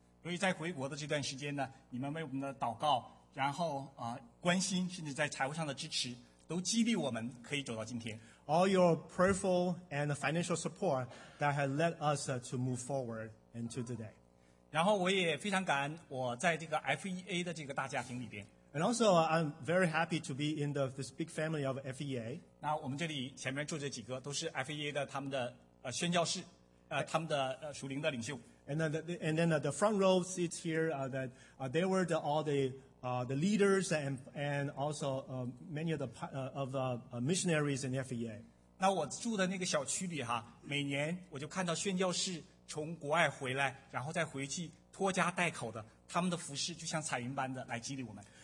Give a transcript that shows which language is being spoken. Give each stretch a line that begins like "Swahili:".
Chinese: 所以在回国的这段时间呢，你们为我们的祷告，然后关心，甚至在财务上的支持。都激励我们可以走到今天。
English: All your prayerful and financial support that has led us to move forward into today.
Chinese: 然后我也非常感恩我在这个 FEA 的这个大家庭里边。
English: And also I'm very happy to be in this big family of FEA.
Chinese: 那我们这里前面坐着几个都是 FEA 的他们的宣教士，他们的属灵的领袖。
English: And then the front row seats here that they were the leaders and also many of the missionaries in FEA.
Chinese: 那我住的那个小区里哈，每年我就看到宣教士从国外回来，然后再回去拖家带口的，他们的服事就像彩云般的来激励我们。